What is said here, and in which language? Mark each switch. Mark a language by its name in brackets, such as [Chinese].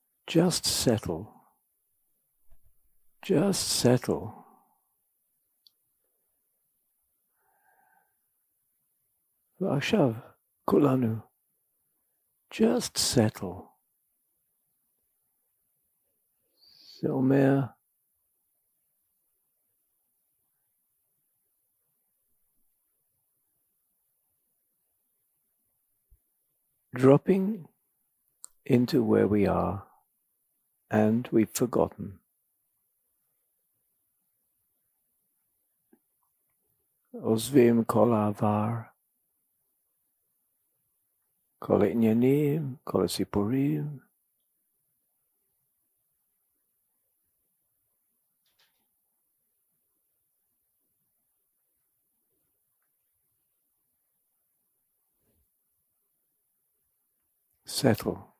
[English] Just settle. Just settle. [Hebrew] ועכשיו, כולנו, [English] just settle. [Hebrew] זה אומר, [English] dropping into where we are, and we've forgotten. [Hebrew] עוזבים כל העבר, כל העניינים, כל הסיפורים, [English] settle.